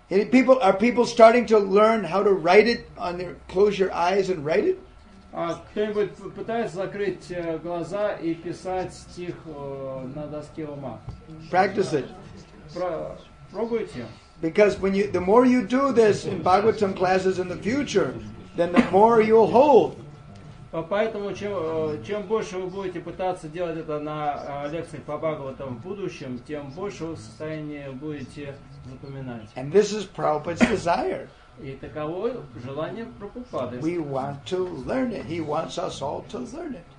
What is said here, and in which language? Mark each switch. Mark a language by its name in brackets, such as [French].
[English] People, are people starting to learn how to write it on their, close your eyes and write it? [Russian] Кто-нибудь пытается закрыть глаза и писать стих на доске ума? [English] Practice it. [Russian] Пробуйте. [English] Because when you, the more you do this in Bhagavatam classes in the future, then the more you'll hold. [Russian] Поэтому чем больше вы будете пытаться делать это на лекциях по Бхагаватам в будущем, тем больше вы в состоянии будете запоминать. [English] And this is Prabhupada's desire. [Russian] И таково желание Прабхупады. [English] We want to learn it. He wants us all to learn it.